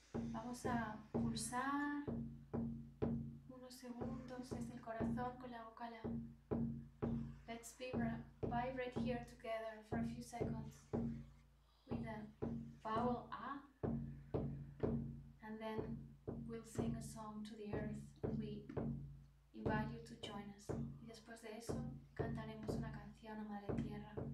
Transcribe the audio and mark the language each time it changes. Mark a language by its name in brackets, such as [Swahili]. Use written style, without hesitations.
[Spanish] vamos a pulsar unos segundos desde el corazón con la boca. [English] Let's vibrate here together for a few seconds with the vowel A, and then we'll sing a song to the earth. We invite you to join us. [Spanish] Y después de eso, cantaremos una canción a Madre Tierra.